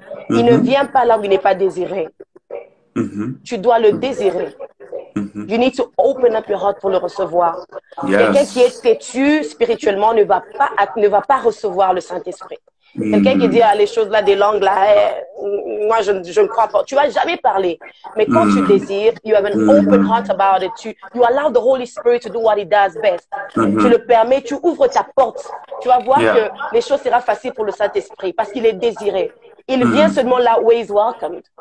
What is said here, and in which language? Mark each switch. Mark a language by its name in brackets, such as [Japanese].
[French] Il ne vient pas là où il n'est pas désiré. Tu dois le désirer. [English] You need to open up your heart [French] pour le recevoir. [English] Yes. [French] Quelqu'un qui est têtu spirituellement ne va pas recevoir le Saint-Esprit. Quelqu'un qui dit les choses là, des langues là, moi je ne crois pas. Tu vas jamais parler. Mais quand tu désires, [English] you have an open heart about it. You allow the Holy Spirit to do what he does best. [French] Tu le permets, tu ouvres ta porte. Tu vas voir que les choses seront faciles pour le Saint-Esprit parce qu'il est désiré. Il vient seulement là où il est welcome.